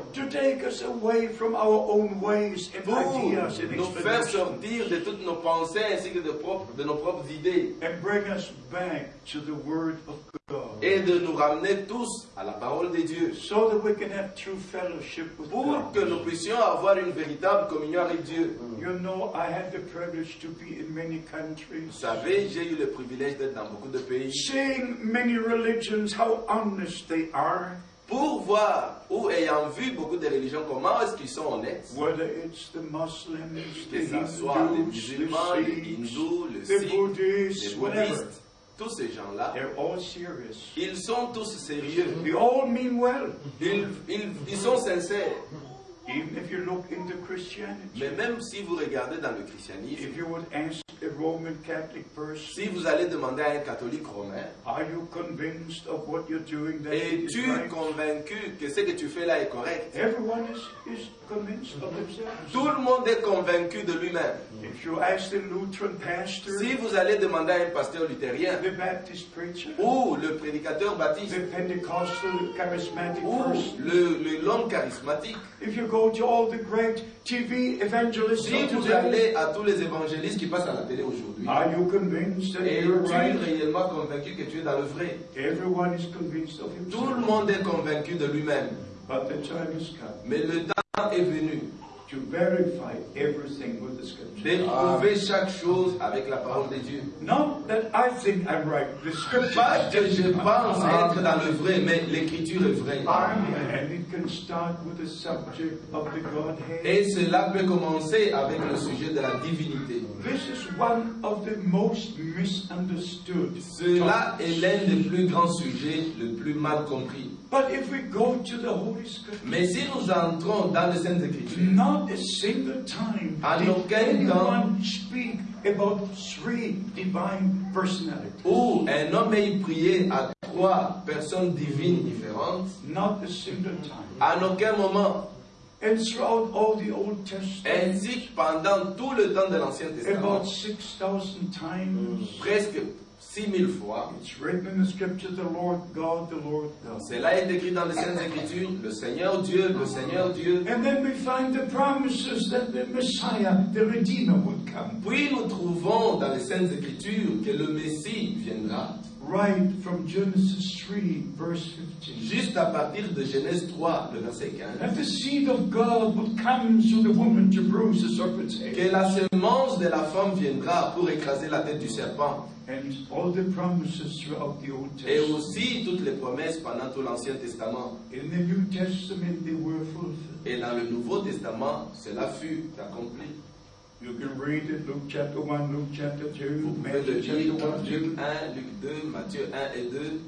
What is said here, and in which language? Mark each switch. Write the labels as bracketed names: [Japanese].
[English] To take us away from our own ways and [French] pour [English] ideas and expectations. [French] Nous faire sortir de toutes nos pensées ainsi que de nos propres idées. [English] And bring us back to the word of God. [French] Et de nous ramener tous à la parole de Dieu. [English] So that we can have true fellowship with [French] pour [English] God. [French] Que nous puissions avoir une véritable communion avec Dieu. [English] You know, I had the privilege to be in many countries. [French] Vous savez, j'ai eu le privilège d'être dans beaucoup de pays. [English] Seeing many religions. How honest they are. [French] Pour voir ou ayant vu beaucoup de religions, comment est-ce qu'ils sont honnêtes? [English] Whether it's the Muslims, the Hindus, the Buddhists, [French] tous ces gens-là, [English] they're all serious. [French] Ils sont tous sérieux. [English] They all mean well. [French] Ils sont sincères. [English] Even if you look into Christianity. [French] Mais même si vous regardez dans le christianisme, [English] if you would ask a Roman Catholic person, [French] si vous allez demander à un catholique romain, [English] are you convinced of what you're doing that [French] es-tu convaincu que ce que tu fais là est correct? [English] Everyone is convinced of themselves. [French] Tout le monde est convaincu de lui-même. [English] If you ask a Lutheran pastor, [French] si vous allez demander à un pasteur luthérien, [English] the Baptist preacher, [French] ou le prédicateur baptiste, [English] the Pentecostal charismatic person, [French] ou le l'homme charismatique, [English] if you go to all the great TV evangelists, [French] si vous allez à tous les évangélistes qui passent à la télé aujourd'hui, [English] are you convinced that [French] es-tu [English] you're right? [French] Réellement convaincu que tu es dans le vrai? [English] Everyone is convinced of himself. [French] Tout le monde est convaincu de lui-même. [English] But the time has come. [French] Mais le temps est venu. [English] To verify everything with the scriptures. [French] D'éprouver chaque chose avec la parole de Dieu. [English] Not that I think I'm right. The scriptures. [French] Pas que je pense être dans le vrai, mais l'écriture est vraie. [English] And it can start with the subject of the Godhead. [French] Et cela peut commencer avec le sujet de la divinité. [English] This is one of the most misunderstood. [French] Cela est l'un des plus grands sujets, le plus mal compris. [English] But if we go to the Holy Scriptures. [French] Mais si nous entrons dans les Saintes Écritures. [English] Not a single time did anyone speak about three divine personalities. [French] Oh, un homme ayant prié à trois personnes divines différentes. [English] Not a single time. [French] À aucun moment. [English] And throughout all the Old Testament. [French] Ainsi que pendant tout le temps de l'Ancien Testament. [English] About 6,000 times. [French] Presque 6,000 fois. [English] It's written in the Scripture, the Lord God, the Lord God. [French] Cela est écrit dans les Saintes Écritures, le Seigneur Dieu, le Seigneur Dieu. [English] And then we find the promises that the Messiah, the Redeemer, would come. [French] Puis nous trouvons dans les Saintes Écritures que le Messie viendra. [English] Right from Genesis 3, verse 15. [French] Juste à partir de Genèse 3, le verset 15. [English] That the seed of God would come through the woman to bruise the serpent's head. [French] Que la semence de la femme viendra pour écraser la tête du serpent. [English] And all the promises throughout the Old Testament. [French] Et aussi toutes les promesses pendant tout l'Ancien Testament. [English] In the New Testament, they were fulfilled. [French] Et dans le Nouveau Testament, cela fut accompli. [English] You can read it, Luke chapter 1, Luke chapter 2, [French] vous [English] Matthew chapter 1, [French] Luke 1, Luke 2, Matthieu 1 et 2.